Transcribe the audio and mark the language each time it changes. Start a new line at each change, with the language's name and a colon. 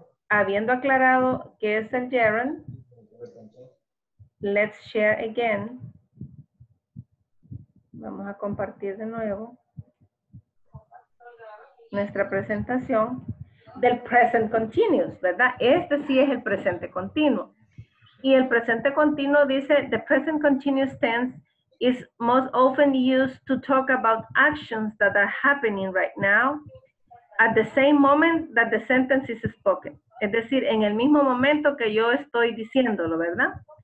Spanish: Habiendo aclarado qué es el gerund,
English: let's share again.
Spanish: Vamos a compartir de nuevo nuestra presentación del present continuous, ¿verdad? Este sí es el presente continuo. Y el presente continuo dice,
English: the present continuous tense is most often used to talk about actions that are happening right now at the same moment that the sentence is spoken.
Spanish: Es decir, en el mismo momento que yo estoy diciéndolo, ¿verdad?